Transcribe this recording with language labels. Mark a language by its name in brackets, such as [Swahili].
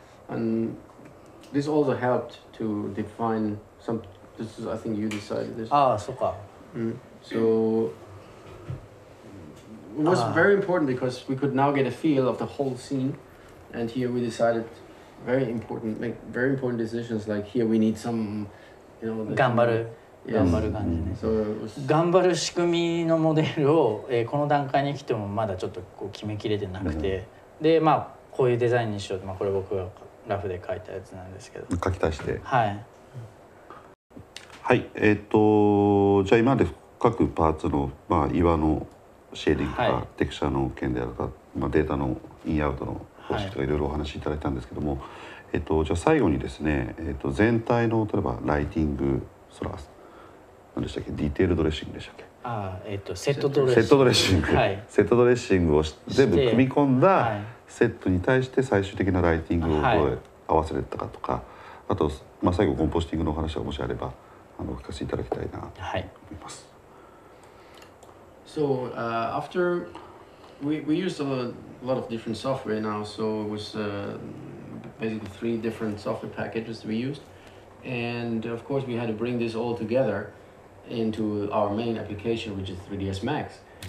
[English] And this also helped to define some, this is, I think you decided this. Ah, so か。 So, it was very important because we could now get a feel of the whole scene. And here we decided very important, make very important decisions, like here we need some, you know. [Japanese] 頑張る。頑張る感じね。頑張る仕組みのモデルを、この段階に来てもまだちょっとこう決めきれてなくて、でまあこういうデザインにしようと、まあ、これ僕がラフで描いたやつなんですけど。書き足して。はい。はい、じゃあ今で各パーツの、まあ、岩のシェーディングとか、はい、テクチャの件であるか、まあ、データのインアウトの方式とかいろいろお話しいただいたんですけども、はい、じゃあ最後にですね、全体の例えばライティング、ソラス、何でしたっけ、ディテールドレッシングでしたっけ、セットドレッシング、セットドレッシング、はい、セットドレッシングを全部組み込んだセットに対して最終的なライティングをどう合わせてたかとか、はい、あと、まあ、最後コンポスティングの話がもしあればお聞かせいただきたいなと思います。 [English] So, after we used a lot of different software now, so it was basically three different software packages we used, and of course we had to bring this all togetherinto our main application, which is 3ds Max.